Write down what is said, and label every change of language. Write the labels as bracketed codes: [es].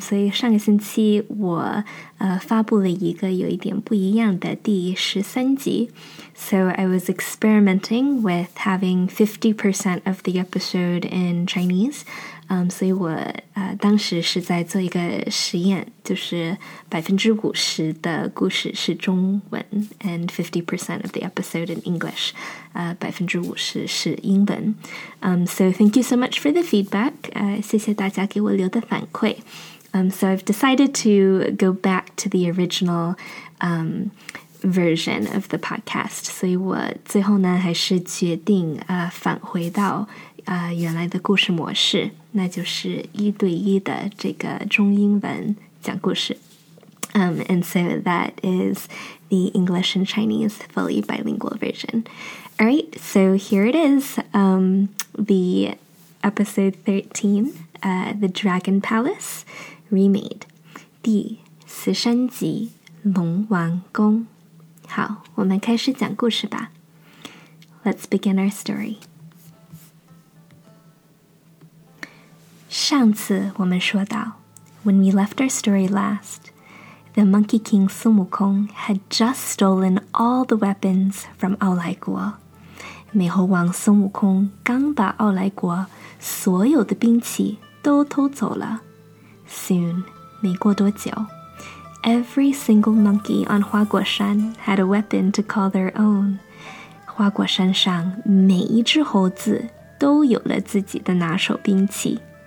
[zh] 所以上个星期我发布了一个有一点不一样的第13集。 [en] So I was experimenting with having 50% of the episode in Chinese. [zh] 所以我当时是在做一个实验，就是 50% 的故事是中文 [en] and 50% of the episode in English. [zh] 50% 是英文。 [en] So thank you so much for the feedback. [zh] 谢谢大家给我留的反馈。 [en] So I've decided to go back to the original version of the podcast. [zh] 所以我最后呢还是决定返回到原来的故事模式，那就是一对一的这个中英文讲故事。 [en] And so that is the English and Chinese fully bilingual version. All right, so here it is, the episode 13, The Dragon Palace Remade, [zh] 第十三集龙王宫。好，我们开始讲故事吧。 [en] Let's begin our story. [zh] 上次我们说到 [en] ,when we left our story last, the Monkey King Sun Wukong had just stolen all the weapons from 傲来国。 [zh] 美猴王孙悟空刚把傲来国所有的兵器都偷走了。 [en] Soon, [zh] 没过多久 [en] ,every single monkey on 花果山 had a weapon to call their own。 [zh] 花果山上每一只猴子都有了自己的拿手兵器。